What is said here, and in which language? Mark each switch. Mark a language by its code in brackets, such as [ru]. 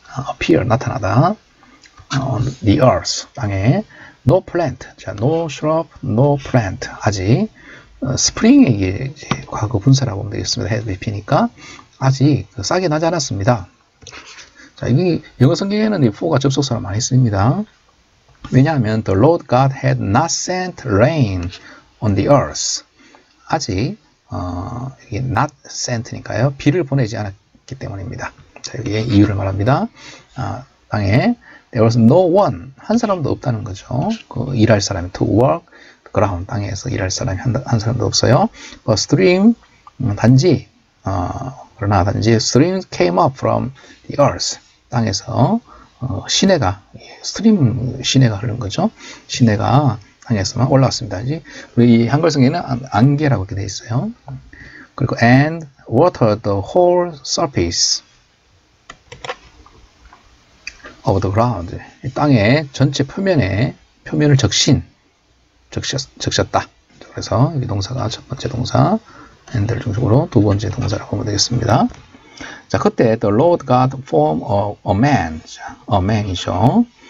[en] appear, [ko] 나타나다. [en] on the earth, 땅에. no plant. [ko] 자, no shrub, no plant. 아직, spring에 과거 분사라고 보면 되겠습니다. had bp니까. 아직 싹이 나지 않았습니다. 자, 이게 영어 성경에는 이 for가 접속사로 많이 쓰입니다. 왜냐하면, [en] the Lord God had not sent rain on the earth. [ko] 아직, 이게 not sent니까요. 비를 보내지 않았기 때문입니다. 자, 여기에 이유를 말합니다. 땅에 [en] there was no one [ko] 한 사람도 없다는 거죠. 그 일할 사람이 [en] to work ground [ko] 땅에서 일할 사람이 한 사람도 없어요. But stream 단지 그러나 단지 [en] stream came up from the earth [ko] 땅에서 시내가 stream 시내가 흐른 거죠. 시내가 땅에서만 올라왔습니다. 우리 한글 성경에는 안개라고 이렇게 되어 있어요. [en] 그리고 and water the whole surface of the ground. [ko] 땅의 전체 표면을 적셨다. 그래서 이 동사가 첫 번째 동사, and를 중심으로 두 번째 동사라고 보면 되겠습니다. 자, 그때 [en] the Lord God form of a man. [ko] 자, a man이죠.